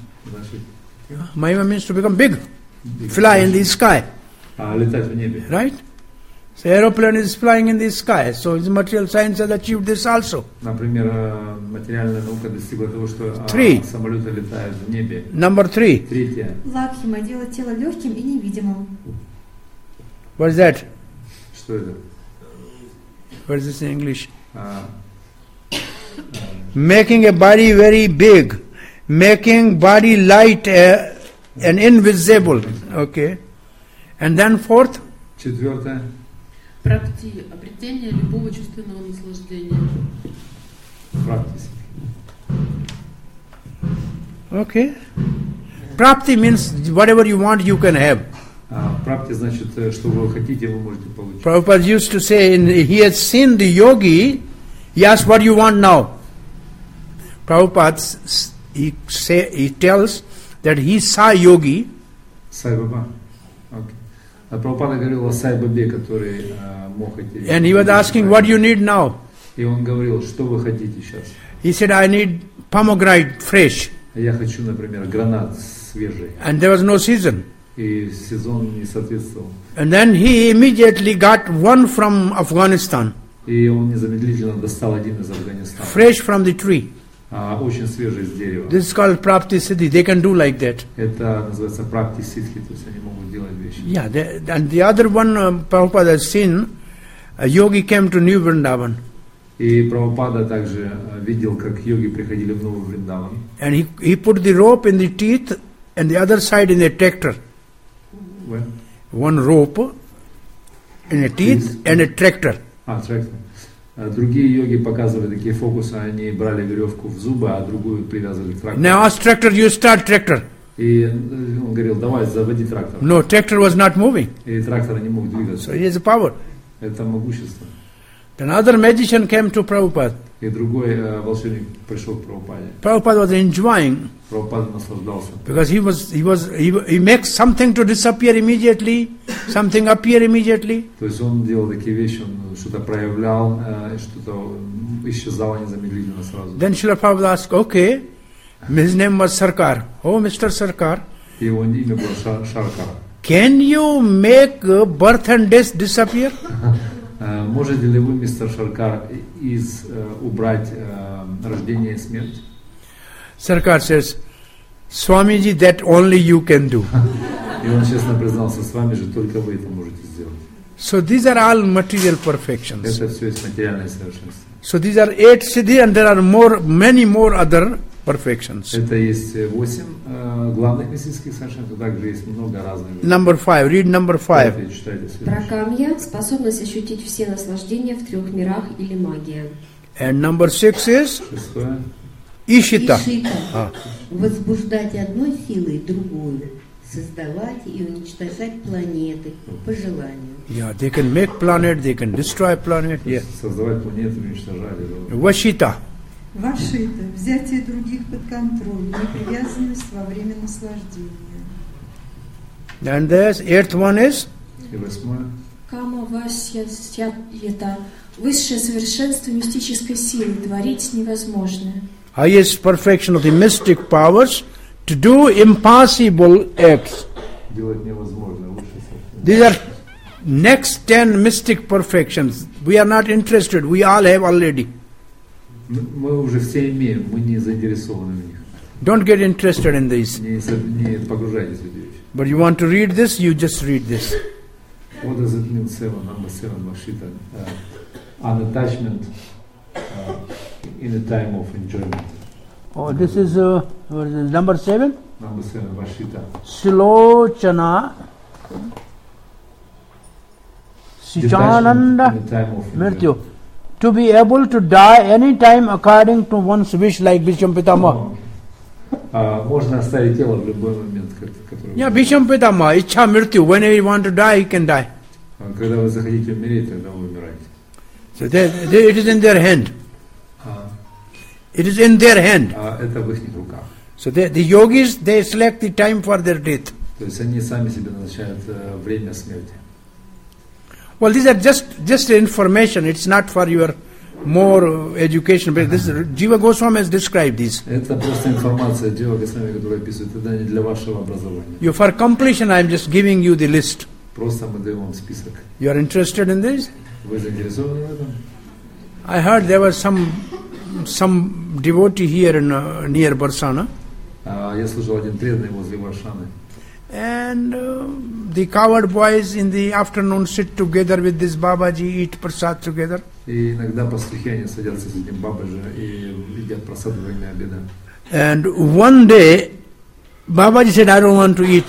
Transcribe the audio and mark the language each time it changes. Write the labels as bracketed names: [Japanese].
[English] Mahima means to become big, fly in the sky. [Russian] Летать в небе. [English] Right? So aeroplane is flying in the sky. So its material science has achieved this also. [Russian] Например, материальная наука достигла того, что самолеты летают в небе. [English] Number three. [Russian] Третье. Лакхима делает тело легким и невидимым. [English] What is that? [Russian] Что это? [English] What is this in English? Making a body very big, making body light and invisible. Okay. And then fourth. [Russian] Четвертое. Практи, обретение любого чувственного наслаждения. Практис. [English] Okay. Прапти means whatever you want, you can have. [Russian] Прапти значит, что вы хотите, вы можете получить. [English] Prabhupada used to say, he has seen the yogi, he asked, what do you want now? Prabhupada, he tells that he saw yogi. Sai Baba. Okay. [Russian] Прабхупада говорил о Сай Бабе, который мог идти. [English] And he was asking, what do you need now? [Russian] И он говорил, что вы хотите сейчас? [English] He said, I need pomegranate fresh. [Russian] Я хочу, например, гранат свежий. [English] And there was no season. [Russian] И сезон не соответствовал. [English] And then he immediately got one from Afghanistan. [Russian] И он незамедлительно достал один из Афганистана. [English] Fresh from the tree. [Russian] Очень свежий из дерева. [English] This is called Prapti Siddhi. They can do like that. [Russian] Это называется Prapti Siddhi, то есть они могут делать вещи. [English] Yeah, and the other one, Prabhupada has seen, a yogi came to New Vrindavan. [Russian] И Прабхупада также видел, как йоги приходили в Новый Вриндаван. [English] And he put the rope in the teeth and the other side in a tractor. Where? One rope in a teeth and a tractor. Tractor. [Russian] Другие йоги показывали такие фокусы, они брали веревку в зубы, а другую привязывали к трактору. [English] Now ask tractor, you start tractor. [Russian] И он говорил, давай, заводи трактор. [English] No, tractor was not moving. [Russian] И трактор не мог двигаться. [English] So he has a power. [Russian] Это могущество. [English] Then another magician came to Prabhupada. [Russian] И другой волшебник пришел к Прабхупаде. [English] Prabhupada was enjoying. [Russian] Прабхупада наслаждался. [English] Because he makes something to disappear immediately, something appear immediately. [Russian] То есть он делал такие вещи, он что-то проявлял, что-то исчезало незамедлительно сразу. [English] Then Srila Prabhupada asked, okay, his name was Sarkar. Oh, Mr. Sarkar. [Russian] Его имя было Шаркар. [English] Can you make birth and death disappear? [Russian] Можете ли вы, мистер Шаркар, убрать рождение и смерть? [English] Sarkar says, Swamiji, that only you can do. [Russian] И он честно признался, Swamiji, только вы это можете сделать. [English] So these are all material perfections. [Russian] Это все есть материальное совершенство. [English] So these are eight siddhi and there are many more other perfections. [Russian] Это есть восемь главных мистических совершенств, а также есть много разных. [English] Number five, read number five. [Russian] Пракамья, способность ощутить все наслаждения в трех мирах или магия. [English] And number six is? [Russian] Шестое. Ишита. Возбуждать одной силой другую, создавать и уничтожать планеты по желанию. [English] Yeah, they can make planet, they can destroy planet. Yeah. [Russian] Создавать планеты, уничтожать. Вашита. Вашита. Взятие других под контроль, непривязанность во время наслаждения. [English] And there's eighth one is? [Russian] Кама вашита. Высшее совершенство мистической силы, творить невозможное. [English] Highest perfection of the mystic powers to do impossible acts. [Russian] Делать невозможно. [English] These are Next 10 mystic perfections, we are not interested, we all have already. [Russian] Мы уже все имеем, мы не заинтересованы в них. [English] Don't get interested in these. [Russian] Не погружайтесь в эти вещи. [English] But you want to read this, you just read this. What does it mean, seven, number seven, Vashita? Unattachment in the time of enjoyment. Oh, this is, what is it, number seven? Number seven, Vashita. Silochana. Sichananda. Mrityu. To be able to die any time according to one's wish, like Bhisham Pitamah. [Russian] Можно оставить тело в любой момент, который... [English] Yeah, Bhisham Pitamah, Ichha Mrityu. Whenever you want to die, you can die. [Russian] Когда вы захотите умереть, тогда вы умираете. [English] So they, it is in their hand. It is in their hand. [Russian] Это в их руках. [English] So the yogis, they select the time for their death. [Russian] То есть они сами себе назначают время смерти. [English] Well, these are just information. It's not for your more education. But this Jiva Goswami has described these. [Russian] Это просто информация Джива Госвами, которая описывает. Это не для вашего образования. [English] You for completion, I'm just giving you the list. [Russian] Просто мы даем вам список. [English] You are interested in this? [Russian] Вы заинтересованы в этом? [English] I heard there was some devotee here in near Barsana. [Russian] Я слышал один преданный возле Варшаны. [English] And the coward boys in the afternoon sit together with this Babaji, eat prasad together. [Russian] И иногда пастухи они садятся с этим Бабаджи и едят прасад во время обеда. [English] And one day Babaji said, I don't want to eat.